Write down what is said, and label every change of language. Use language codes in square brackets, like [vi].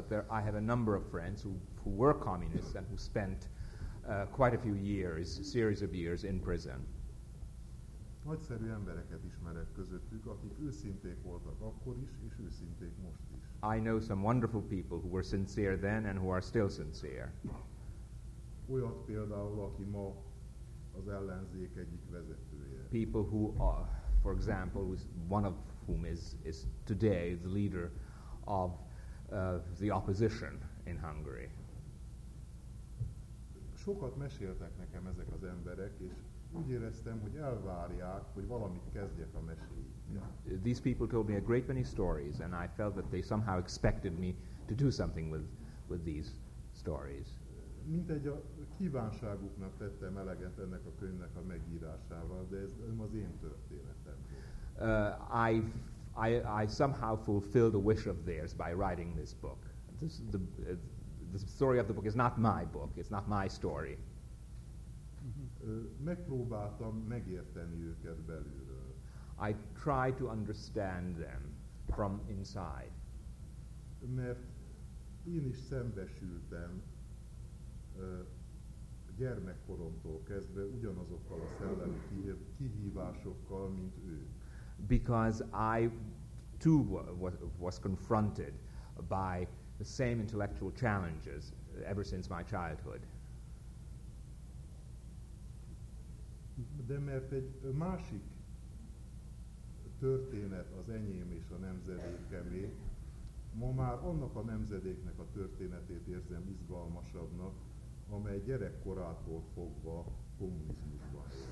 [en] But I have a number of friends who were communists and who spent quite a few years, series of years in prison. [hu] Nagyszerű embereket ismerek közöttük, akik őszinték voltak akkor is, és őszinték most is. [en] I know some wonderful people who were sincere then and who are still sincere. [hu] Olyat például, aki ma az ellenzék egyik vezetője. [en] People who are, for example, one of whom is today the leader of the opposition in Hungary. [hu] Sokat meséltek nekem ezek az emberek, és úgy éreztem, hogy elvárják, hogy valamit kezdjek a meséjükkel. [en] These people told me a great many stories, and I felt that they somehow expected me to do something with these stories. [hu] Mint egy a kívánságuknak tettem eleget ennek a könyvnek a megírásával, de ez nem az én történetem. [en] I somehow fulfilled a wish of theirs by writing this book. The story of the book is not my book. It's not my story. [hu] Megpróbáltam megérteni őket belülről. [en] I tried to understand them from inside. [hu] Mert én is szembesültem gyermekkoromtól kezdve ugyanazokkal a szellemi kihívásokkal, mint ők. [en] Because I too was confronted by the same intellectual challenges ever since my childhood. [hu] De mert egy másik történet az enyém és a nemzedékemé, ma már annak a nemzedéknek a történetét érzem izgalmasabbnak, amely gyerekkorától fogva kommunizmusban.